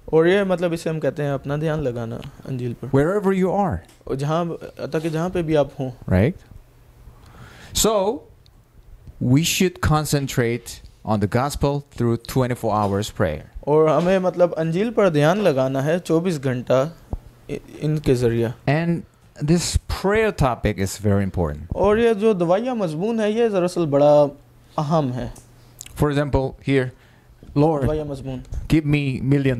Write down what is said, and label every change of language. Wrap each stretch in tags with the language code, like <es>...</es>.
<ur>اور یہ مطلب اسے ہم کہتے ہیں اپنا دھیان لگانا انجیل پر</ur> <en>wherever you are</en> <ur>جہاں تاکہ جہاں پہ بھی آپ ہوں</ur> <en>right so we should concentrate on the gospel through 24 hours prayer</en> <ur>اور ہمیں مطلب انجیل پر دھیان لگانا ہے 24 گھنٹہ ان کے ذریعہ</ur> <en>and this prayer topic is very important</en> <ur>اور یہ جو دعائیہ مضمون ہے یہ دراصل بڑا اہم ہے</ur> <en>for example here Lord, give me $1 million.</en>